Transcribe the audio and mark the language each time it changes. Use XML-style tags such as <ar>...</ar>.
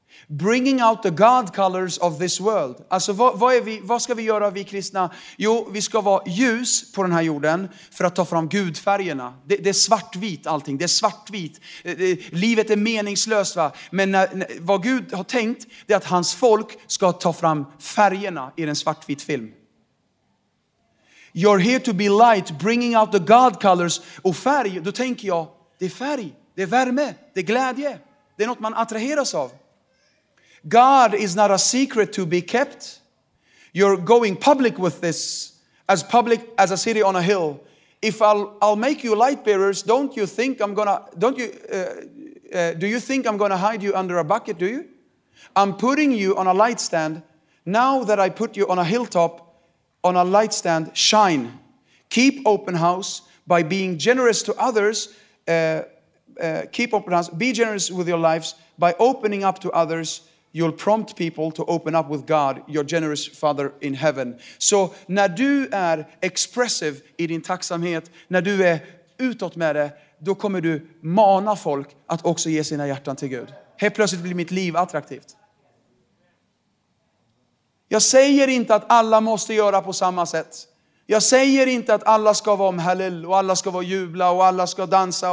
<en>Bringing out the God colors of this world.</en> <sv>Alltså vad ska vi göra, vi kristna? Jo, vi ska vara ljus på den här jorden för att ta fram gudfärgerna. Det är svartvit allting, det är svartvit. Livet är meningslöst, va? Men vad Gud har tänkt är att hans folk ska ta fram färgerna i en svartvit film.</sv> <en>You're here to be light, bringing out the God colors.</en> <sv>Och färg, då tänker jag, det är färg, det är värme, det är glädje. Det är något man attraheras av.</sv> <en>God is not a secret to be kept. You're going public with this, as public as a city on a hill. If I'll make you light bearers, do you think I'm gonna hide you under a bucket? Do you? I'm putting you on a light stand. Now that I put you on a hilltop, on a light stand, shine. Keep open house by being generous to others. Keep open house. Be generous with your lives by opening up to others. You'll prompt people to open up with God, your generous Father in heaven.</en> <sv>Så när du är expressive i din tacksamhet, när du är utåt med det, då kommer du mana folk att också ge sina hjärtan till Gud. Helt plötsligt blir mitt liv attraktivt. Jag säger inte att alla måste göra på samma sätt. Jag säger inte att alla ska vara om hallel och alla ska vara jubla och alla ska dansa.</sv>